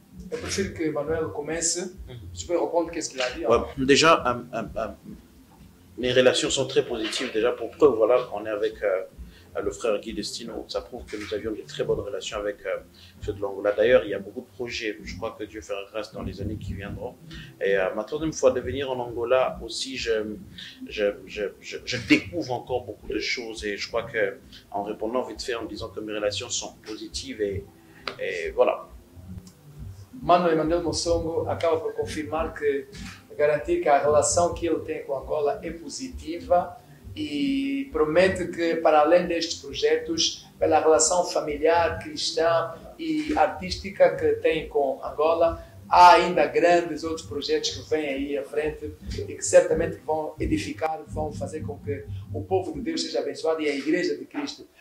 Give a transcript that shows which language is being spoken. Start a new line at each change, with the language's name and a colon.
Portuguese: Eu prefiro que Emmanuel comece. Se puder responder, o que é que ele disse?
French: Ouais, déjà, mes relations sont très positives. Déjà, pour preuve, voilà, on est avec. Le frère Guy Destino, ça prouve que nous avions de très bonnes relations avec ceux de l'Angola. D'ailleurs, il y a beaucoup de projets, je crois que Dieu fera grâce dans les années qui viendront. Et ma troisième fois de venir en Angola aussi, je découvre encore beaucoup de choses. Et je crois qu'en répondant vite fait, en disant que mes relations sont positives, et voilà.
Portuguese: Mano Emmanuel Mussongo acaba por confirmar que garantir que a relação que ele tem com Angola é positiva. E prometo que, para além destes projetos, pela relação familiar, cristã e artística que tem com Angola, há ainda grandes outros projetos que vêm aí à frente e que certamente vão edificar, vão fazer com que o povo de Deus seja abençoado e a Igreja de Cristo.